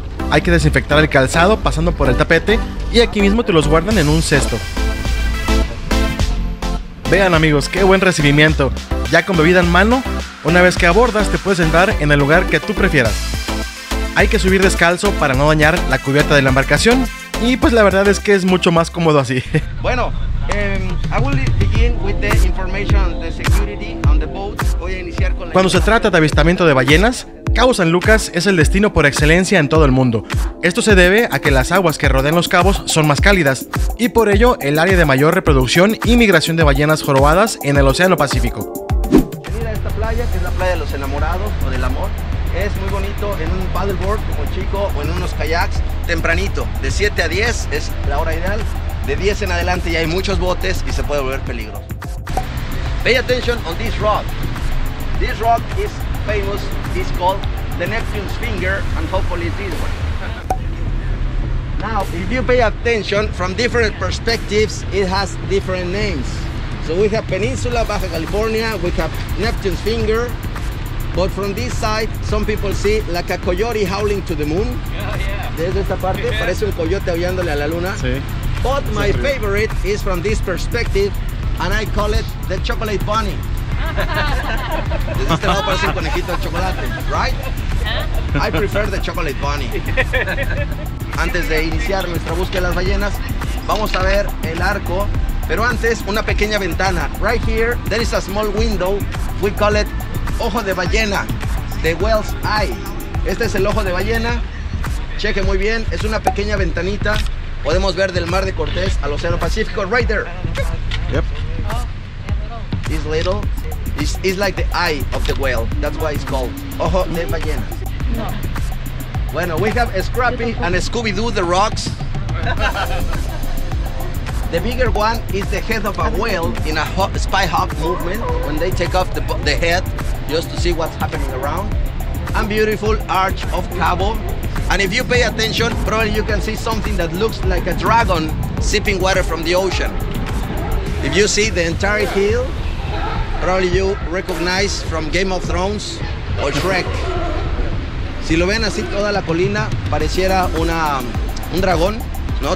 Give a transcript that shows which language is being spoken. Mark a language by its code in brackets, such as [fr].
[es] Hay que desinfectar el calzado pasando por el tapete y aquí mismo te los guardan en un cesto. Vean, amigos, qué buen recibimiento. Ya con bebida en mano, una vez que abordas te puedes sentar en el lugar que tú prefieras. Hay que subir descalzo para no dañar la cubierta de la embarcación y pues la verdad es que es mucho más cómodo así. [en] Bueno, I will begin with the information, the security on the boat. [es] Voy a iniciar con la... Cuando se trata de avistamiento de ballenas, Cabo San Lucas es el destino por excelencia en todo el mundo. Esto se debe a que las aguas que rodean los cabos son más cálidas y por ello el área de mayor reproducción y migración de ballenas jorobadas en el Océano Pacífico. Venir a esta playa, que es la playa de los enamorados o del amor, es muy bonito en un paddleboard como chico o en unos kayaks tempranito. De 7 a 10 es la hora ideal. De 10 en adelante ya hay muchos botes y se puede volver peligroso. [en] Pay attention on this rod. This rod is famous. It's called the Neptune's finger, and hopefully it's this one. Now, if you pay attention from different perspectives, it has different names. So we have Peninsula, Baja California, we have Neptune's finger, but from this side, some people see like a coyote howling to the moon. Yeah, yeah. [es] Desde esta parte, yeah. Parece un coyote aullándole a la luna. Sí. [en] But it's my favorite is from this perspective, and I call it the chocolate bunny. [es] Desde este lado parece un conejito de chocolate, right? [en] I prefer the chocolate bunny. [es] Antes de iniciar nuestra búsqueda de las ballenas, vamos a ver el arco, pero antes una pequeña ventana. [en] Right here, there is a small window, we call it ojo de ballena, the whale's eye. [es] Este es el ojo de ballena, cheque muy bien, es una pequeña ventanita. Podemos ver del Mar de Cortés al Océano Pacífico, [en] right there. Yep. It's little. It's like the eye of the whale. That's why it's called ojo de ballena. No. Bueno, we have a Scrappy and a Scooby-Doo, the rocks. The bigger one is the head of a whale in a spy hawk movement. When they take off the head, just to see what's happening around. And beautiful arch of Cabo. And if you pay attention, probably you can see something that looks like a dragon sipping water from the ocean. If you see the entire hill, probably you recognize from Game of Thrones or Shrek. [es] Si lo ven así toda la colina, pareciera un dragón, ¿no?